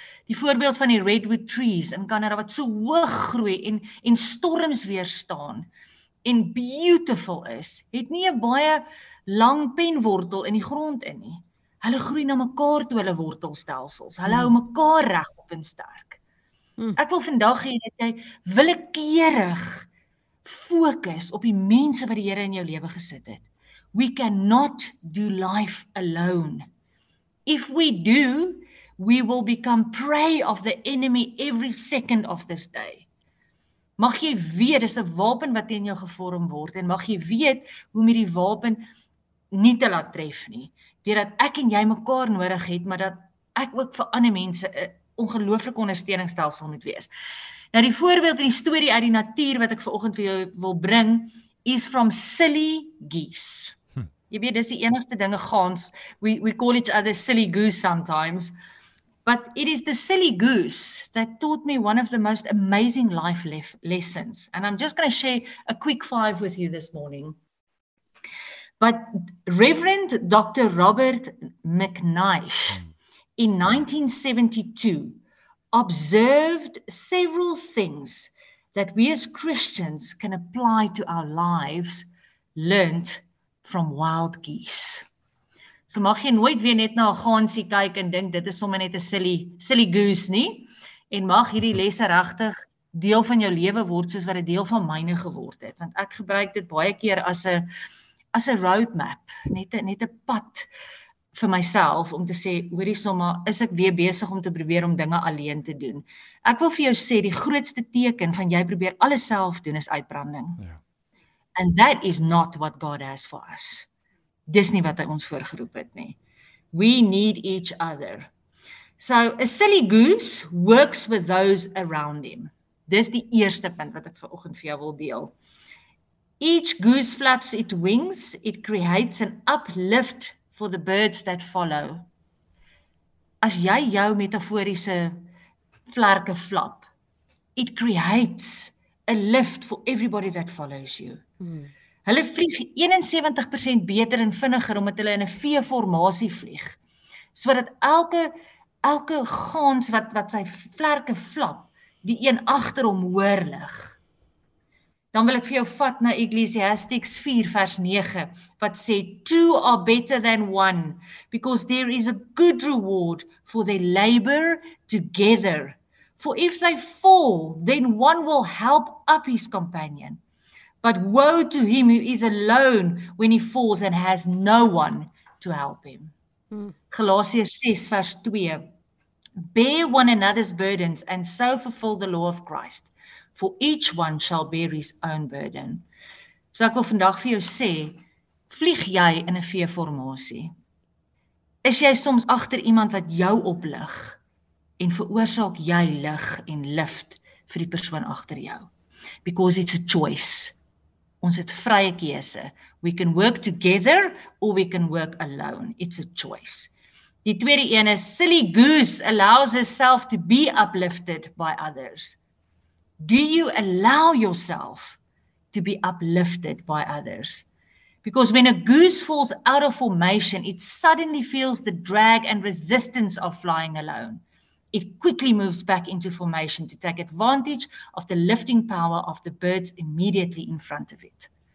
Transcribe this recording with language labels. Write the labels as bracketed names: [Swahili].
[Afrikaans] Die voorbeeld van die redwood trees in Kanada wat so hoog groei en storms weerstaan en beautiful is, het nie 'n baie lang penwortel in die grond in nie. Hulle groei na mekaar toe hulle wortelstelsels. Hulle hou mekaar reg op en sterk. Ek wil vandag hê dat jy willekeurig fokus op die mense wat die Here in jou lewe gesit het. [English] We cannot do life alone. If we do, we will become prey of the enemy every second of this day. [Afrikaans] Mag jy weet, dis 'n wapen wat teen jou gevorm word en mag jy weet hoe om hierdie wapen nie te laat tref nie. Dat ek en jy mekaar nodig het, maar dat ek ook vir ander mense 'n ongelooflike ondersteuningsstelsel moet wees. Nou die voorbeeld en die storie uit die natuur wat ek vanoggend vir jou wil bring, is [English] from silly geese. [Afrikaans] Jy weet, dis die enigste dinge gaans, [English] we call each other silly goose sometimes, but it is the silly goose that taught me one of the most amazing life lessons. And I'm just going to share a quick 5 with you this morning. But Reverend Dr. Robert McNeish, in 1972, observed several things that we as Christians can apply to our lives, learnt from wild geese. [Afrikaans] So mag jy nooit weer net na 'n gansie kyk en dink dit is sommer net 'n silly goose nie. En mag hierdie lesse regtig deel van jou lewe word soos wat dit deel van myne geword het. Want ek gebruik dit baie keer as 'n roadmap, net 'n pad vir myself om te sê, hoorie sommer, is ek weer besig om te probeer om dinge alleen te doen. Ek wil vir jou sê, die grootste teken van jy probeer alles self doen is uitbranding. Ja. [English] And that is not what God has for us. [Afrikaans] Dis nie wat hy ons voorgeroep het nie. [English] We need each other. So, a silly goose works with those around him. [Afrikaans] Dis die eerste punt wat ek vanoggend vir jou wil deel. [English] Each goose flaps its wings, it creates an uplift for the birds that follow. [Afrikaans] As jy jou metaforiese vlerke flap, [English] it creates a lift for everybody that follows you. [Afrikaans] Hulle vlieg 71% beter en vinniger omdat hulle in 'n V-formasie vlieg. Sodat elke gans wat sy vlerke flap, die een agter hom hoor lig. Dan wil ek vir jou vat na Ecclesiastes 4 vers 9 wat sê [English] two are better than one because there is a good reward for their labor together. For if they fall, then one will help up his companion. But woe to him who is alone when he falls and has no one to help him. Galatians 6 vers 2. Bear one another's burdens and so fulfill the law of Christ. For each one shall bear his own burden. [Afrikaans] So ek wil vandag vir jou sê, vlieg jy in 'n V-formasie? Is jy soms agter iemand wat jou oplig en veroorsaak jy lig en lift vir die persoon agter jou? [English] Because it's a choice. [Afrikaans] Ons het vrye keuse. [English] We can work together or we can work alone. It's a choice. [Afrikaans] Die tweede een is [English] silly goose allows itself to be uplifted by others. Do you allow yourself to be uplifted by others? Because when a goose falls out of formation, it suddenly feels the drag and resistance of flying alone. It quickly moves back into formation to take advantage of the lifting power of the birds immediately in front of it.